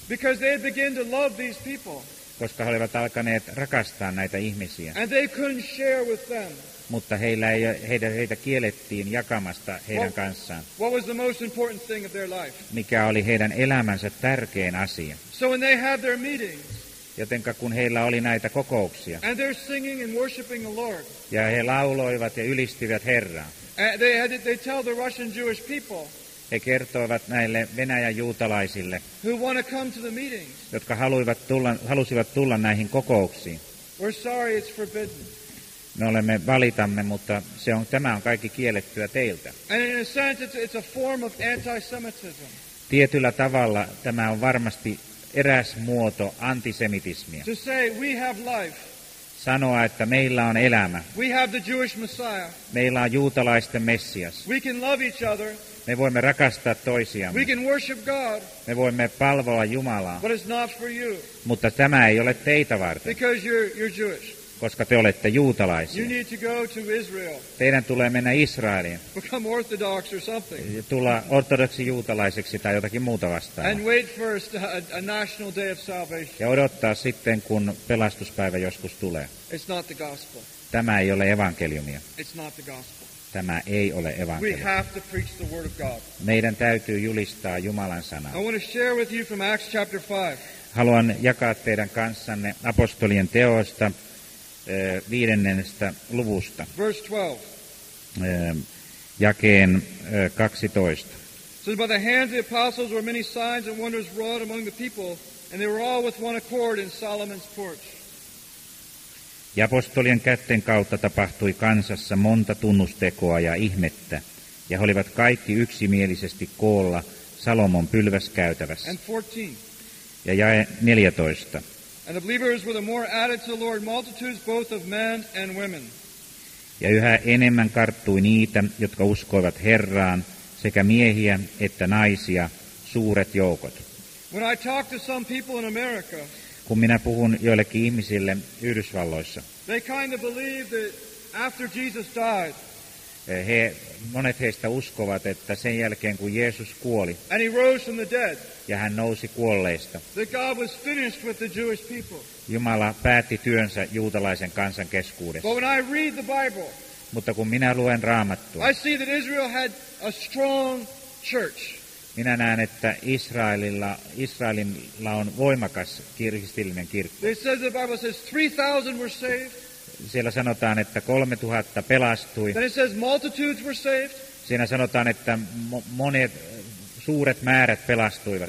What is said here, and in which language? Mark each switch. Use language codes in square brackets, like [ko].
[en] Because they had begun to love these people. [fi] Koska he olivat alkaneet rakastaa näitä ihmisiä. [en] And they couldn't share with them. [fi] Mutta heitä kiellettiin jakamasta heidän kanssaan. [en] What was the most important thing of their life? [fi] Mikä oli heidän elämänsä tärkein asia. [en] So when they had their meetings. [fi] Jotenka kun heillä oli näitä kokouksia. [en] And they're singing and worshiping the Lord. [fi] Ja he lauloivat ja ylistivät Herraa. [en] They tell the Russian Jewish people. [fi] He kertoivat näille Venäjän juutalaisille, [en] who want to come to the meetings. [fi] Jotka halusivat tulla näihin kokouksiin. [en] We're sorry, it's forbidden. [fi] Me olemme valitamme, mutta tämä on kaikki kiellettyä teiltä. [en] And in a sense, it's a form of anti-Semitism. [fi] Tietyllä tavalla tämä on varmasti eräs muoto antisemitismia. [en] To say we have life. [fi] Sanoa, että meillä on elämä. [en] We have the Jewish Messiah. [fi] Meillä on juutalaisten Messias. [en] We can love each other. [fi] Me voimme rakastaa toisiamme. [en] We can worship God. [fi] Me voimme palvoa Jumalaa. [en] But it's not for you. [fi] Mutta tämä ei ole teitä varten. [en] Because you're Jewish. [fi] Koska te olette juutalaisia. [en] You need to go to Israel. [fi] Teidän tulee mennä Israeliin. [en] Become Orthodox or something. [fi] Tulla ortodoksi juutalaiseksi tai jotakin muuta vastaan. [en] And wait first a national day of salvation. [fi] Ja odottaa sitten, kun pelastuspäivä joskus tulee. [en] It's not the gospel. [fi] Tämä ei ole evankeliumia. [en] It's not the gospel. [fi] Tämä ei ole evankeliumia. [en] We have to preach the word of God. [fi] Meidän täytyy julistaa Jumalan sanaa. [en] I want to share with you from Acts chapter 5. [fi] Haluan jakaa teidän kanssanne apostolien teoista. Viidennestä luvusta. [en] Verse 12. [fi] Jakeen 12. [en] So by the hands of the apostles were many signs and wonders wrought among the people, and they were all with one accord in Solomon's porch. [fi] Ja apostolien kätten kautta tapahtui kansassa monta tunnustekoa ja ihmettä, ja he olivat kaikki yksimielisesti koolla Salomon pylväskäytävässä. [en] And 14. [fi] Ja jae 14. [en] And the believers were the more added to the Lord multitudes both of men and women. [fi] Ja yhä enemmän karttui niitä, jotka uskoivat Herraan, sekä miehiä että naisia, suuret joukot. [en] When I talk to some people in America, [fi] kun minä puhun joillekin ihmisille Yhdysvalloissa, [en] they kind of believe that after Jesus died, [fi] monet heistä uskovat, että sen jälkeen kun Jeesus kuoli, [en] and he rose from the dead, [fi] ja hän nousi kuolleista, [en] that God was finished with the Jewish people. [fi] Jumala päätti työnsä juutalaisen kansan keskuudessa. [en] But when I read the Bible, [fi] mutta kun minä luen Raamattua, [en] I see that Israel had a strong church. [fi] Minä näen, että Israelilla on voimakas kristillinen kirkko. [en] It says, the Bible says 3,000 were saved. [fi] Siellä sanotaan, että 3,000 pelastui. [en] Then it says multitudes were saved. [fi] Siinä sanotaan, että monet suuret määrät pelastuivat.